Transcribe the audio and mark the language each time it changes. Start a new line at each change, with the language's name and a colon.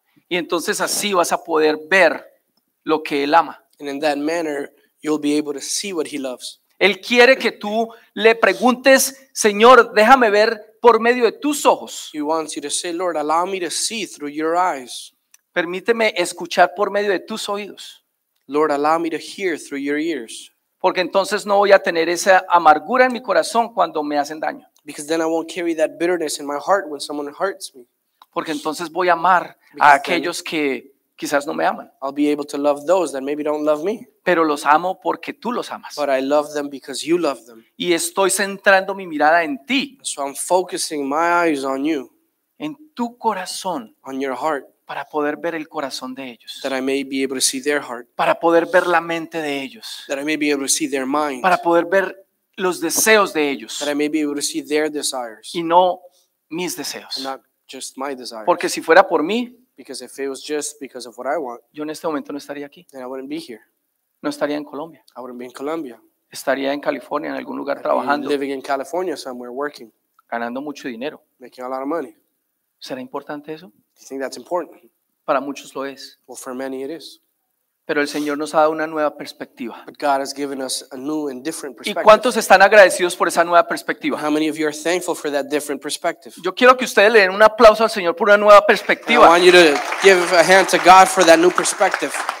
Spanish: Y entonces así vas a poder ver lo que él ama.
English: And in that manner, you'll be able to see what he loves.
Spanish: Él quiere que tú le preguntes, Señor, déjame ver por medio de tus ojos.
English: He wants you to say, Lord, allow me to see through your eyes.
Spanish: Permíteme escuchar por medio de tus oídos.
English: Lord, allow me to hear through your ears.
Spanish: Porque entonces no voy a tener esa amargura en mi corazón cuando me hacen daño.
English: Because then I won't carry that bitterness in my heart when someone hurts me.
Spanish: Porque entonces voy a amar a aquellos que quizás no me aman.
English: I'll be able to love those that maybe don't love me.
Spanish: Pero los amo porque tú los amas.
English: But I love them because you love them.
Spanish: Y estoy centrando mi mirada en ti.
English: So I'm focusing my eyes on you.
Spanish: En tu corazón.
English: On your heart.
Spanish: Para poder ver el corazón de ellos.
English: That I may be able to see their heart.
Spanish: Para poder ver la mente de ellos.
English: That I may be able to see their mind.
Spanish: Para poder ver los deseos de ellos.
English: That I may be able to see their desires.
Spanish: Y no mis deseos.
English: And not just my desires.
Spanish: Porque si fuera por mí.
English: Because if it was just because of what I want.
Spanish: Yo en este momento no estaría aquí.
English: Then I wouldn't be here.
Spanish: No estaría en Colombia.
English: I wouldn't be in Colombia.
Spanish: Estaría en California, en algún lugar trabajando.
English: I'd be living in California somewhere working.
Spanish: Ganando mucho dinero.
English: Making a lot of money.
Spanish: ¿Será importante eso?
English: Do you think that's important?
Spanish: Para muchos lo es.
English: Well, for many it is.
Spanish: Pero el Señor nos ha dado una nueva perspectiva.
English: But God has given us a new and different perspective.
Spanish: ¿Y cuántos están agradecidos por esa nueva perspectiva?
English: How many of you are thankful for that different perspective?
Spanish: Yo quiero que ustedes le den un aplauso al Señor por una nueva perspectiva.
English: I want you to give a hand to God for that new perspective.